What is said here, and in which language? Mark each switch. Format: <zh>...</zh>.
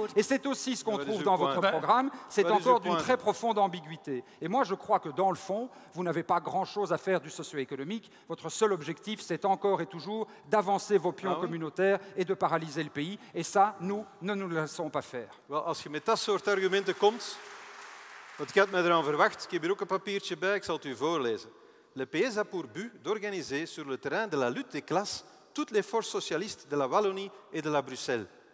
<fr>Et c'est aussi ce qu'on trouve dans votre programme, c'est encore d'une très profonde ambiguïté. Et moi je crois que dans le fond, vous n'avez pas grand-chose à faire du socio-économique. Votre seul objectif, c'est encore et toujours d'avancer vos pions communautaires et de paralyser le pays. Et ça, nous, ne nous laissons pas faire.</fr> <nl>Wel, als je met dat soort argumenten komt, want ik had mij eraan verwacht, ik heb hier ook een papiertje bij, ik zal het u voorlezen.</nl> <fr>Le PS a pour but d'organiser sur le terrain de la lutte des classes toutes les forces socialistes de la Wallonie et de la Bruxelles.</fr>